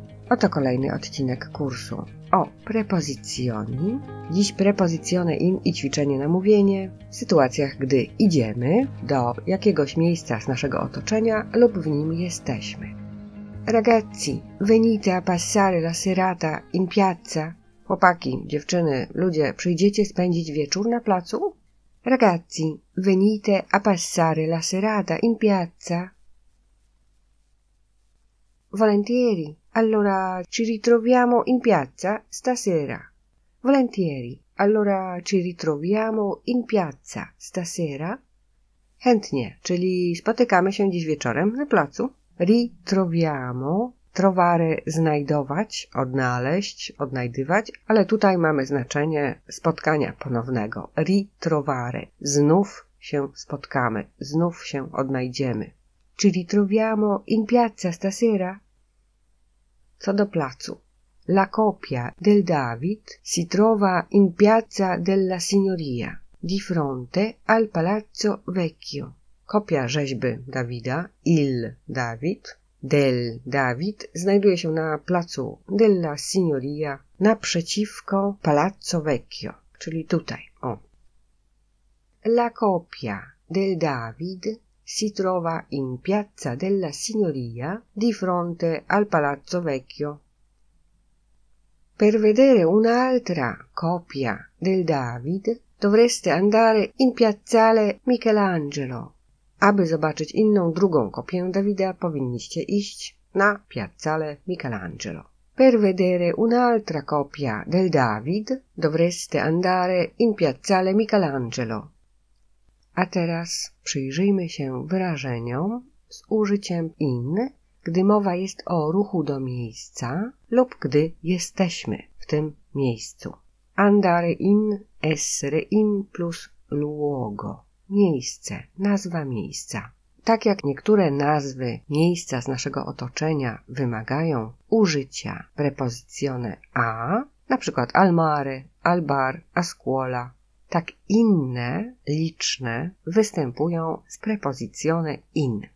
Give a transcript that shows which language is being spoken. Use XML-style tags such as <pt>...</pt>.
<pl>Oto kolejny odcinek kursu o prepozycjoni. Dziś prepozycjone in i ćwiczenie na mówienie w sytuacjach, gdy idziemy do jakiegoś miejsca z naszego otoczenia lub w nim jesteśmy.</pl> <it>Ragazzi, venite a passare la serata in piazza.</it> <pl>Chłopaki, dziewczyny, ludzie, przyjdziecie spędzić wieczór na placu?</pl> <it>Ragazzi, venite a passare la serata in piazza. Volentieri. Allora, ci ritroviamo in piazza stasera. Volentieri. Allora, ci ritroviamo in piazza stasera.</it> <pl>Chętnie, czyli spotykamy się dziś wieczorem na placu.</pl> <it>Ritroviamo. Trovare,</it> <pl>znajdować, odnaleźć, odnajdywać, ale tutaj mamy znaczenie spotkania ponownego. Ritrovare. Znów się spotkamy, znów się odnajdziemy.</pl> <it>Ci ritroviamo in piazza stasera?</it> <pl>Co do placu.</pl> <it>La copia del David si trova in piazza della Signoria, di fronte al Palazzo Vecchio.</it> <pl>Kopia rzeźby Dawida,</pl> <it>il David, del David,</it> <pl>znajduje się na placu della Signoria, naprzeciwko Palazzo Vecchio, czyli tutaj, o.</pl> <it>La copia del David si trova in piazza della Signoria, di fronte al Palazzo Vecchio. Per vedere un'altra copia del David, dovreste andare in piazzale Michelangelo.</it> <pl>Aby zobaczyć inną, drugą kopię Davida, powinniście iść na piazzale Michelangelo.</pl> <it>Per vedere un'altra copia del David, dovreste andare in piazzale Michelangelo.</it> <pl>A teraz przyjrzyjmy się wyrażeniom z użyciem in, gdy mowa jest o ruchu do miejsca lub gdy jesteśmy w tym miejscu.</pl> <it>Andare in, essere in plus luogo.</it> <pl>Miejsce, nazwa miejsca. Tak jak niektóre nazwy miejsca z naszego otoczenia wymagają użycia prepozycjone a, na przykład</pl> <it>al mare, al bar, a scuola,</it> <pl>tak inne, liczne, występują z prepozycjone in.</pl>